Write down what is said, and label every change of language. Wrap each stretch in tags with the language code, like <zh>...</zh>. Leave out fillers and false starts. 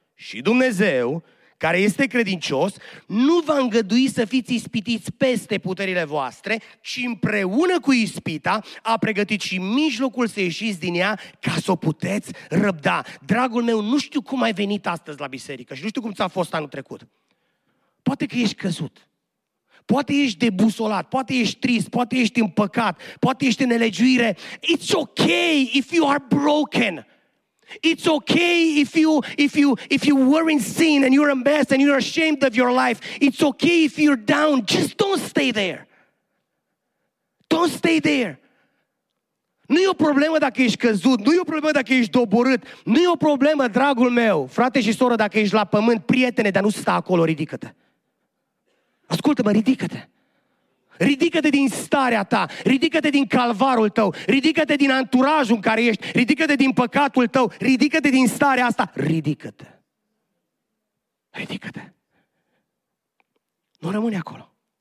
<ro>Și Dumnezeu, care este credincios, nu va îngădui să fiți ispitiți peste puterile voastre, ci împreună cu ispita a pregătit și mijlocul să ieșiți din ea ca să o puteți răbda. Dragul meu, nu știu cum ai venit astăzi la biserică și nu știu cum ți-a fost anul trecut. Poate că ești căzut, poate ești debusolat, poate ești trist, poate ești în păcat, poate ești în nelegiuire.</ro> <en>It's okay if you are broken. It's okay if you were in sin and you're embarrassed and you're ashamed of your life. It's okay if you're down. Just don't stay there. Don't stay there.</en> <ro>Nu e o problemă dacă ești căzut, nu e o problemă dacă ești doborât, nu e o problemă, dragul meu, frate și soră, dacă ești la pământ, prietene, dar nu sta acolo, ridică-te. Ascultă-mă, ridică-te. Ridică-te din starea ta, ridică-te din calvarul tău, ridică-te din anturajul în care ești, ridică-te din păcatul tău, ridică-te din starea asta, ridică-te. Ridică-te. Nu rămâne acolo.</ro>